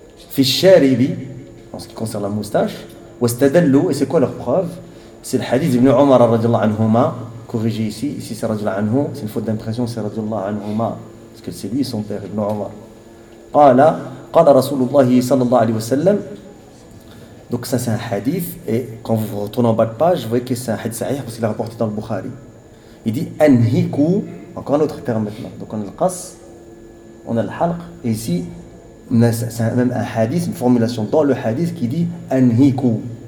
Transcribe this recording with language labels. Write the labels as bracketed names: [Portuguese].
[Arabic] Fi sharibi, [French] en ce qui concerne la moustache, wastadallu, et c'est quoi leur preuve? C'est le hadith d'Ibn Omar radiallahu anhuma. Corrigé ici c'est radiallahu anhu, c'est une faute d'impression, c'est radiallahu anhuma, parce que c'est lui son père, Ibn Omar. Qala [Arabic] قال رسول الله صلى الله عليه وسلم. [French] Donc ça c'est un hadith, et quand vous retournez en bas de page, vous voyez que c'est un hadith sahih parce qu'il est rapporté dans le Bukhari. Il dit anhiku, encore un autre terme maintenant. Donc on a le qas, on a le halq, et ici c'est même un hadith, une formulation dans le hadith qui dit anhiku.